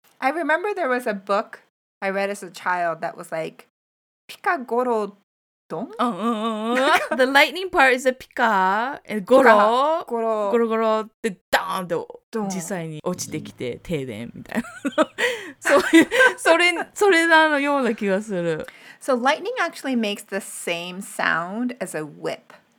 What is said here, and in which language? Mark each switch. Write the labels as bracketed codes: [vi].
[en] I remember there was a book I read as a child that was like, ピカゴロドン? The lightning part is a ピカ。ゴロ。ゴロ。 [ja] ゴロゴロってダーンと。実際に落ちてきて停電みたいなそういうそれなのような気がする。 [en] So lightning actually makes the same sound as a whip.